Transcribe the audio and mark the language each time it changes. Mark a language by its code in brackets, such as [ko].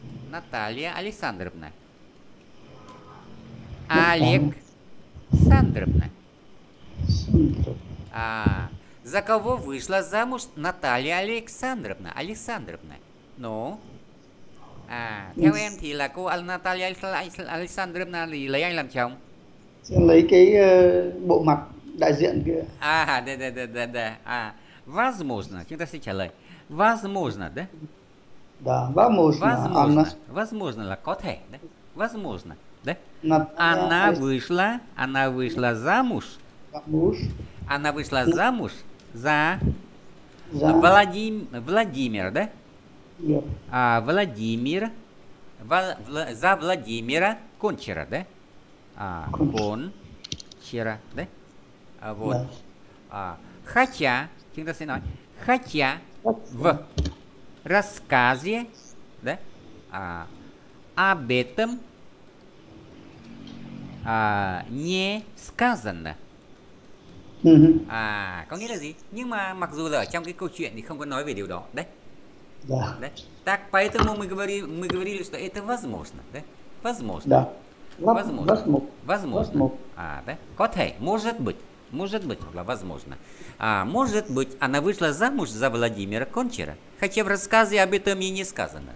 [ru] Наталья Александровна. Олег Сандровна. А за кого вышла замуж Наталья Александровна? Александровна. Ну? [vi] А, theo em thì là cô Наталья Александровна lấy anh làm chồng? Lấy cái bộ mặt đại diện kia. [ru] À, да. [vi] А, возможно, chúng ta sẽ trả lời. [ru] Возможно, да? Да, возможно. Возможно, возможно [vi] là có thể, [ru] да? Возможно, да? Она вышла замуж. Замуж. Она вышла замуж. За Владимира, да? Yeah. А Владимир, за Владимира Кончера, да? А Кончера, да? А вот. Yeah. А хотя, чем ты сказал? Хотя в рассказе, да? А об этом не сказано. [vi] À, có nghĩa là gì? Nhưng mà mặc dù là ở trong cái câu chuyện thì không có nói về điều đó. Đấy. Yeah. Đấy. [ru] Так поэтому мы говорили, что это возможно. Да? Возможно. Да. Возможно. А, да? [vi] Có thể, [ru] может быть. Может быть, [vi] hoặc là [ru] возможно. А, может быть, она вышла замуж за Владимира Кончера. Хотя в рассказе об этом ей не сказано.